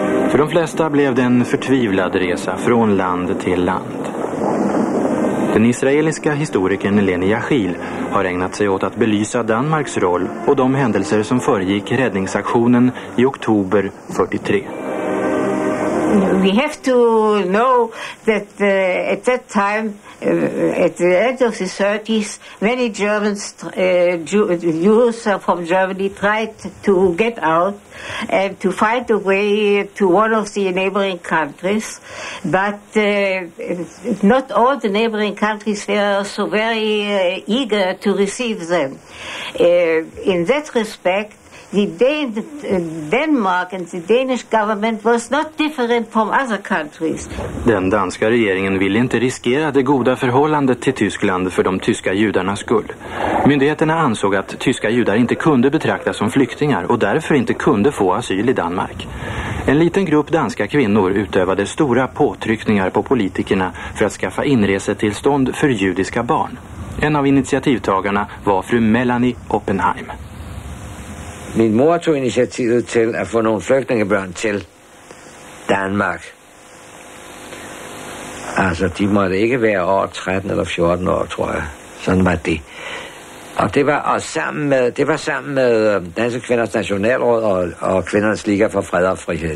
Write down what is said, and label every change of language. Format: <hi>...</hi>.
<sv>För de flesta blev det en förtvivlad resa från land till land. Den israeliska historikern Leni Yachil har ägnat sig åt att belysa Danmarks roll och de händelser som föregick räddningsaktionen i oktober 43.</sv> <en>We have to know that at that time, at the end of the 30s, many Germans, Jews from Germany tried to get out and to find a way to one of the neighboring countries. But not all the neighboring countries were so very eager to receive them. In that respect, Denmark and the Danish government was not different from other countries.</en> <sv>Den danska regeringen ville inte riskera det goda förhållandet till Tyskland för de tyska judarnas skull. Myndigheterna ansåg att tyska judar inte kunde betraktas som flyktingar och därför inte kunde få asyl i Danmark. En liten grupp danska kvinnor utövade stora påtryckningar på politikerna för att skaffa inresetillstånd för judiska barn. En av initiativtagarna var fru Melanie Oppenheim.</sv> <da>Min mor tog initiativet til at få nogle flygtningebørn til Danmark. Altså, de måtte ikke være over 13 eller 14 år, tror jeg. Sådan var det. Og det var og sammen med, det var sammen med Danske Kvinders Nationalråd og Kvindernes Liga for Fred og Frihed.</da>